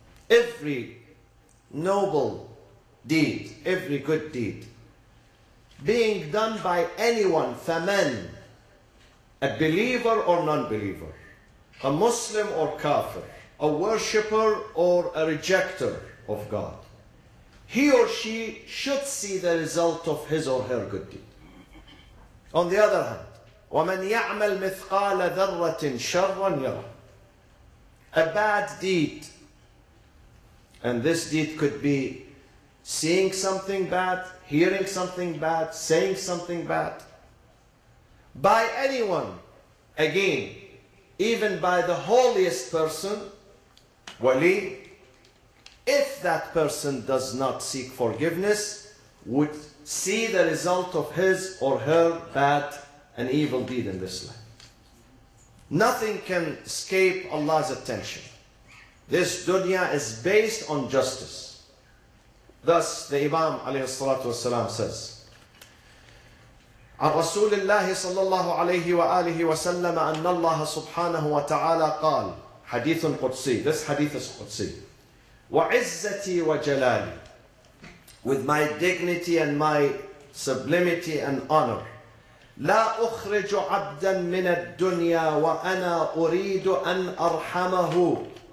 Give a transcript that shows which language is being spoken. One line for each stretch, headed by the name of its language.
English: Every noble deed, every good deed, being done by anyone, فَمَنْ, a believer or non-believer, a Muslim or kafir, a worshipper or a rejecter of God, he or she should see the result of his or her good deed. On the other hand,
Arabic: وَمَنْ يَعْمَلْ مِثْقَالَ ذَرَّةٍ شَرًّا يَرَى.
English: A bad deed, and this deed could be seeing something bad, hearing something bad, saying something bad, by anyone, again, even by the holiest person, wali, if that person does not seek forgiveness, would see the result of his or her bad and evil deed in this life. Nothing can escape Allah's attention. This dunya is based on justice. Thus, the Imam alayhi salatu wasalam says,
Arabic: عن رسول الله صلى الله عليه وآله وسلم أن الله سبحانه وتعالى قال حديث قدسي.
English: This hadith is قدسي.
Arabic: وعزتي وجلالي.
English: With my dignity and my sublimity and honor.
Arabic: لا أخرج عبدا من الدنيا وأنا أريد أن أرحمه.